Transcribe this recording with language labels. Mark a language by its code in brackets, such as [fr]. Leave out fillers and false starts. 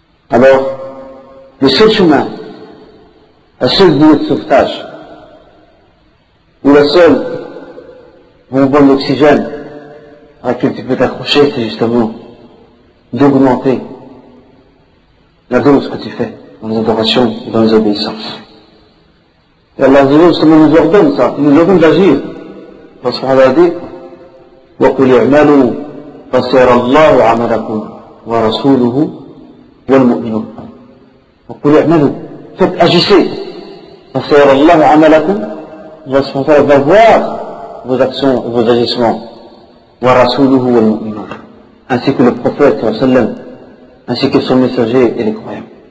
[fr] Alors, le seul chemin, la seule vie de sauvetage, ou la seule bonbon d'oxygène à laquelle tu peux t'accrocher, c'est justement d'augmenter la dose que tu fais dans les adorations et dans les obéissances. Et Allah justement nous ordonne ça, il nous ordonne d'agir. Parce qu'on a dit, [ar] وَقُلْ اِعْمَلُوا فَسَيَرَ اللَّهُ عَمَلَكُمْ وَرَسُولُهُ وَالْمُؤْمِنُونَ. وَقُلْ اِعْمَلُوا, [fr] faites agissez. [ar] فَسَيَرَ اللَّهُ عَمَلَكُمْ وَرَسُولُهُ وَالْمُؤْمِنُونَ. [fr] Vos actions et vos agissements, [ar] wa rasuluhu wal mu'minun, [fr] ainsi que le prophète, ainsi que son messager et les croyants.